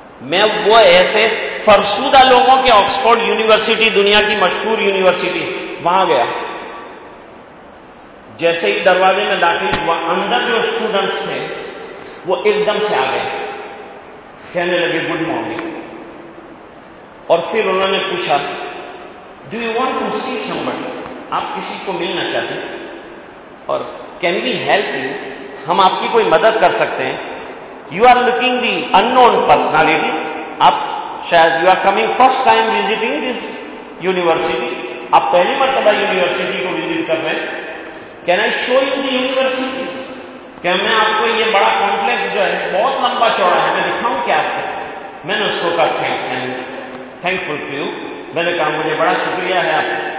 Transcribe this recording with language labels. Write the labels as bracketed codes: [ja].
[ur] میں وہ ایسے فرسودہ لوگوں کے آکسفورڈ یونیورسٹی دنیا کی مشہور یونیورسٹی وہاں گیا, جیسے ہی دروازے میں داخل ہوا اندر جو اسٹوڈنٹس تھے وہ ایک دم سے آ گئے, کہنے لگے گڈ مارننگ, اور پھر انہوں نے پوچھا [en] Do you want to see somebody? [ur] آپ کسی کو ملنا چاہتے ہیں اور [en] can we help you? [ur] ہم آپ کی کوئی مدد کر سکتے ہیں. [en] You are looking the unknown personality. [ur] آپ شاید [en] you are coming first time visiting this university. [ur] آپ پہلی مرتبہ یونیورسٹی کو وزٹ کر رہے ہیں. [en] Can I show you the university? [ur] کیا میں آپ کو یہ بڑا کمپلیکس جو ہے بہت لمبا چوڑا ہے میں دکھاؤں کیا آپ کو؟ میں نے اس کو کہا [en] thanks and thankful to you, [ur] میں نے کہا مجھے بڑا شکریہ ہے آپ کا.